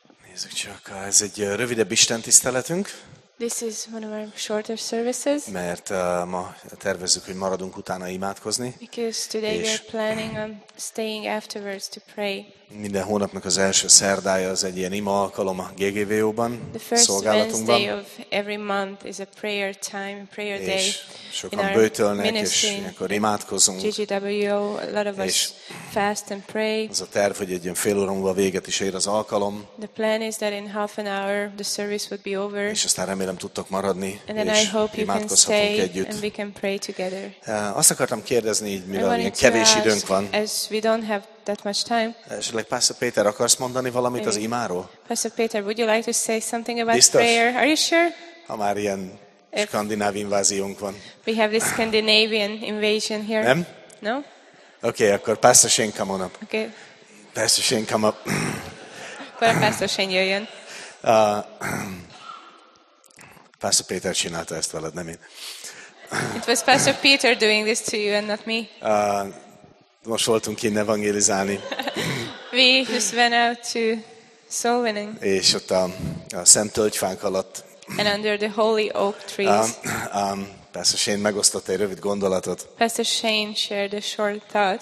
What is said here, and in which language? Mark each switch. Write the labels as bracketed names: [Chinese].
[Hungarian] Nézzük csak, ez egy rövidebb istentiszteletünk. [English] This is one of our shorter services. [Hungarian] Mert ma tervezzük, hogy maradunk utána imádkozni. [English] Because today we are planning on staying afterwards to pray. [Hungarian] Minden hónapnak az első szerdája az egy ilyen ima alkalom a GGVO-ban, szolgálatunkban. [English] The first Wednesday of every month is a prayer time, prayer day. [Hungarian] És sokan bőtölnek, és akkor imádkozunk. [English] GGWO, a lot of us fast and pray. [Hungarian] Az a terv, hogy egy ilyen fél óra múlva véget is ér az alkalom. [English] The plan is that in half an hour the service would be over. [Hungarian] És aztán remélem tudtok maradni, [English] and then [Hungarian] és [English] I hope you [Hungarian] imádkozhatunk [English] can [Hungarian] együtt. [English] And we can pray together. [Hungarian] Azt akartam kérdezni, így, mivel ilyen kevés időnk van. [English] As we don't have that much time. [Hungarian] Esetleg Pásztor Péter, akarsz mondani valamit az imáról? [English] Pastor Peter, would you like to say something about [Hungarian] biztos? [English] Prayer? Are you sure? [Hungarian] Ha már ilyen skandináv inváziónk van. [English] We have this Scandinavian invasion here. [Hungarian] Nem? [English] No? Okay, [Hungarian] akkor [English] Pastor Shane, come on up. Okay. Pastor Shane, come up. [Hungarian] Akkor Pastor Shane jöjjön. Pastor Peter csinálta ezt veled, nem én. [English] It was Pastor Peter doing this to you and not me. [Hungarian] Most voltunk innen evangelizálni. [English] We just went out to soul winning. [Hungarian] És ott a szent tölgyfánk alatt. [English] And under the holy oak trees. [Hungarian] Pastor Shane megosztott egy rövid gondolatot. [English] Pastor Shane shared a short thought.